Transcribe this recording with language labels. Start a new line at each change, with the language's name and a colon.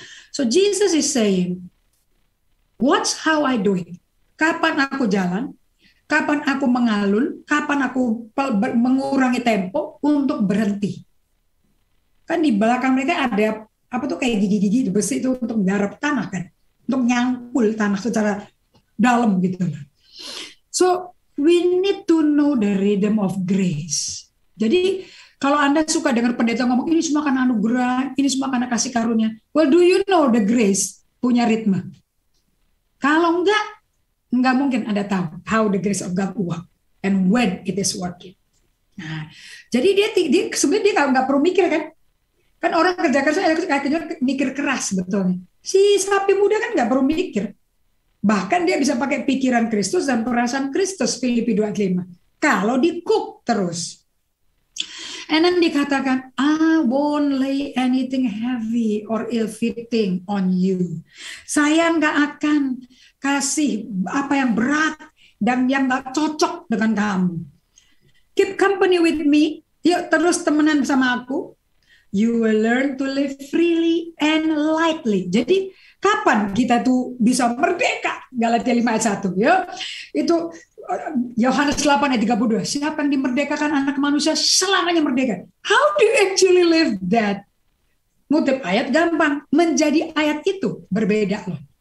English: So Jesus is saying, watch how I do it.
Indonesian: Kapan aku jalan, kapan aku mengalun, kapan aku mengurangi tempo untuk berhenti. Kan di belakang mereka ada, apa tuh kayak gigi-gigi besi itu untuk garap tanah kan. Untuk nyangkul tanah secara dalam gitu.
English: So we need to know the rhythm of grace.
Indonesian: Jadi, kalau Anda suka dengar pendeta ngomong, ini semua karena anugerah, ini semua karena kasih karunia.
English: Well, do you know the grace
Indonesian: punya ritme? Kalau enggak mungkin Anda tahu
English: how the grace of God work and when it is working.
Indonesian: Nah, jadi dia sebenarnya dia nggak perlu mikir kan? Kan orang kerja keras kayaknya mikir keras betulnya. Si sapi muda kan nggak perlu mikir. Bahkan dia bisa pakai pikiran Kristus dan perasaan Kristus, Filipi 2:5. Kalau di-cook terus.
English: And then dikatakan, I won't lay anything heavy or ill-fitting on you.
Indonesian: Saya nggak akan kasih apa yang berat dan yang nggak cocok dengan kamu.
English: Keep company with me.
Indonesian: Yuk terus temenan sama aku.
English: You will learn to live freely and lightly.
Indonesian: Jadi kapan kita tuh bisa merdeka? Galatia 5 ayat 1. Yuk. Itu Yohanes 8 ayat 32. Siapa yang dimerdekakan anak manusia selamanya merdeka.
English: How do you actually live that?
Indonesian: Ngutip ayat gampang. Menjadi ayat itu berbeda loh.